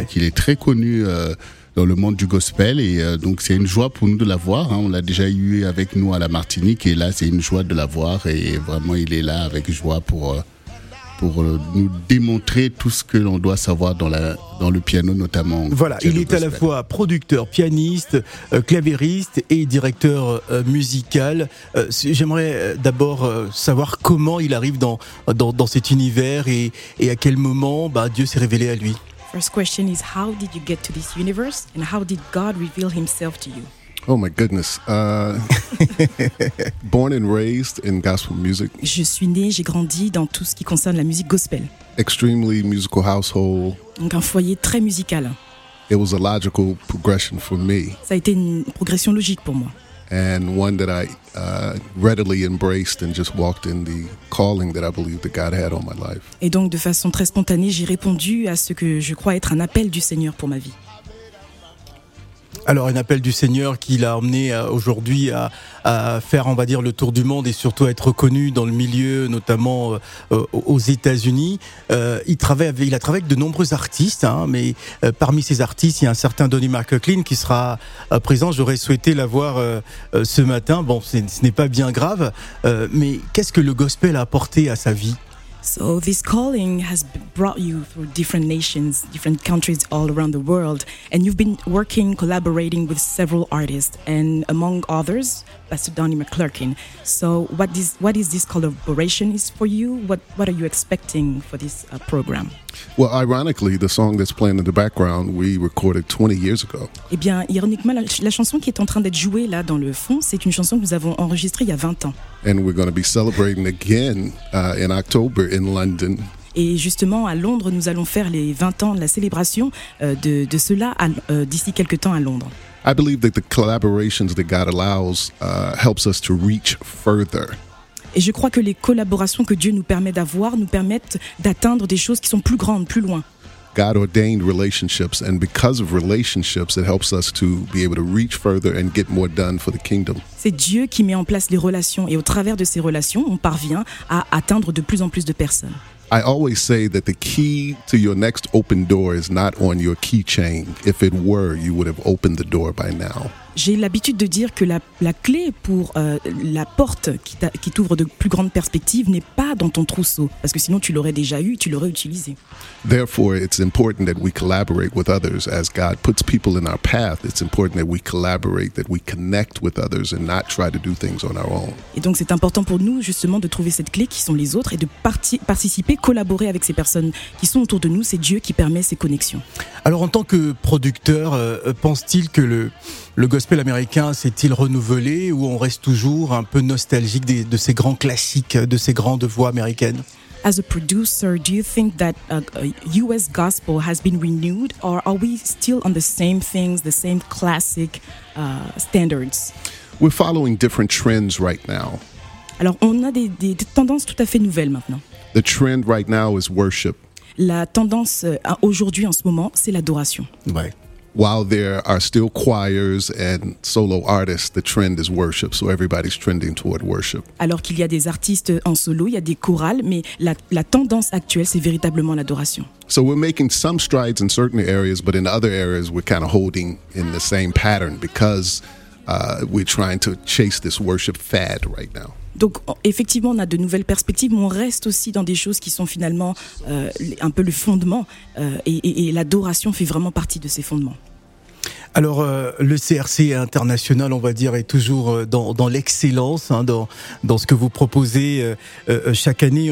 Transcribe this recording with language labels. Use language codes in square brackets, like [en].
[fr] Donc, il est très connu dans le monde du gospel et donc c'est une joie pour nous de l'avoir, hein. On l'a déjà eu avec nous à la Martinique et là c'est une joie de l'avoir et vraiment il est là avec joie pour nous démontrer tout ce que l'on doit savoir dans le piano notamment. Voilà, il est à la fois producteur, pianiste, claviériste et directeur musical. J'aimerais d'abord savoir comment il arrive dans cet univers et à quel moment Dieu s'est révélé à lui. [en] First question is how did you get to this universe and how did God reveal himself to you? Oh my goodness. born and raised in gospel music. [fr] Je suis né, j'ai grandi dans tout ce qui concerne la musique gospel. [en] Extremely musical household. [fr] Donc un foyer très musical. [en] It was a logical progression for me. [fr] Ça a été une progression logique pour moi. [en] And one that I readily embraced and just walked in the calling that I believed that God had on my life. [fr] Et donc de façon très spontanée, j'ai répondu à ce que je crois être un appel du Seigneur pour ma vie. Alors, un appel du Seigneur qui l'a amené aujourd'hui à faire, on va dire, le tour du monde et surtout à être connu dans le milieu, notamment aux États-Unis. Il a travaillé avec de nombreux artistes, hein, mais parmi ces artistes, il y a un certain Donnie McLaughlin qui sera présent. J'aurais souhaité l'avoir ce matin. Bon, ce n'est pas bien grave, mais qu'est-ce que le gospel a apporté à sa vie? [en] So this calling has brought you through different nations, different countries all around the world, and you've been working, collaborating with several artists, and among others, Pastor Donnie McLaughlin. So what is this collaboration is for you? What are you expecting for this program? Well, ironically, the song that's playing in the background, we recorded 20 years ago. [fr] Eh bien, ironiquement, la chanson qui est en train d'être jouée là dans le fond, c'est une chanson que nous avons enregistrée il y a 20 ans. [en] And we're going to be celebrating again in October in London. [fr] Et justement, à Londres, nous allons faire les 20 ans de la célébration de cela d'ici quelques temps à Londres. [en] I believe that the collaborations that God allows helps us to reach further. [fr] Et je crois que les collaborations que Dieu nous permet d'avoir nous permettent d'atteindre des choses qui sont plus grandes, plus loin. [en] God ordained relationships, and because of relationships, it helps us to be able to reach further and get more done for the kingdom. [fr] C'est Dieu qui met en place les relations, et au travers de ces relations, on parvient à atteindre de plus en plus de personnes. [en] I always say that the key to your next open door is not on your keychain. If it were, you would have opened the door by now. [fr] J'ai l'habitude de dire que la clé pour la porte qui t'ouvre de plus grandes perspectives n'est pas dans ton trousseau, parce que sinon tu l'aurais déjà eu, tu l'aurais utilisé. [en] Therefore, it's important that we collaborate with others as God puts people in our path. It's important that we collaborate, that we connect with others and not try to do things on our own. [fr] Et donc c'est important pour nous justement de trouver cette clé qui sont les autres et de participer, collaborer avec ces personnes qui sont autour de nous. C'est Dieu qui permet ces connexions. Alors en tant que producteur, pense-t-il que le gospel américain s'est-il renouvelé ou on reste toujours un peu nostalgique de ces grands classiques, de ces grandes voix américaines? [en] As a producer, do you think that US gospel has been renewed or are we still on the same things, the same classic standards? We're following different trends right now. [fr] Alors on a des tendances tout à fait nouvelles maintenant. [en] The trend right now is worship. [fr] La tendance aujourd'hui en ce moment, c'est l'adoration. Ouais. [en] while there are still choirs and solo artists, the trend is worship. So everybody's trending toward worship. [fr] Alors qu'il y a des artistes en solo, il y a des chorales, mais la tendance actuelle, c'est véritablement l'adoration. [en] So we're making some strides in certain areas, but in other areas, we're kind of holding in the same pattern because we're trying to chase this worship fad right now. [fr] Donc, effectivement, on a de nouvelles perspectives, mais on reste aussi dans des choses qui sont finalement un peu le fondement. Et l'adoration fait vraiment partie de ces fondements. Alors, le CRC international, on va dire, est toujours dans l'excellence, hein, dans ce que vous proposez chaque année.